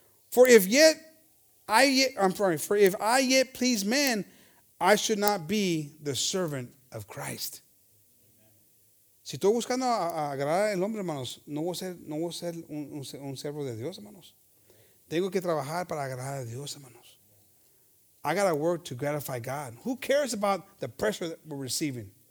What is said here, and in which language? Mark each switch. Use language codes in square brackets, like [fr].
[en] For if I yet please men, I should not be the servant of Christ. [es] Si estoy buscando a agradar al hombre, hermanos, no voy a ser un servo de Dios, hermanos. Tengo que trabajar para agradar a Dios, hermanos. [en] I got to work to gratify God. Who cares about the pressure that we're receiving?